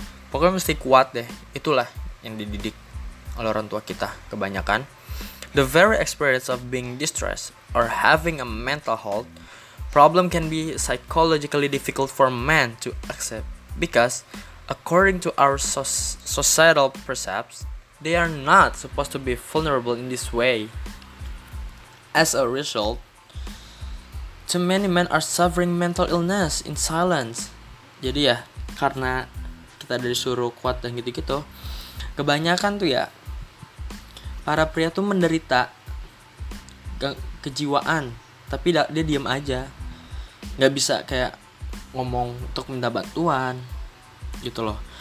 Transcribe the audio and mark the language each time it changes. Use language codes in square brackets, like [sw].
[id] Pokoknya mesti kuat deh. Itulah yang dididik oleh orang tua kita kebanyakan. [en] The very experience of being distressed or having a mental health problem can be psychologically difficult for men to accept, because according to our societal precepts, they are not supposed to be vulnerable in this way. As a result, too many men are suffering mental illness in silence. [id] Jadi ya, karena kita disuruh kuat dan gitu-gitu, kebanyakan tuh ya, para pria tuh menderita kejiwaan, tapi dia diem aja, nggak bisa kayak ngomong untuk minta bantuan, gitu loh.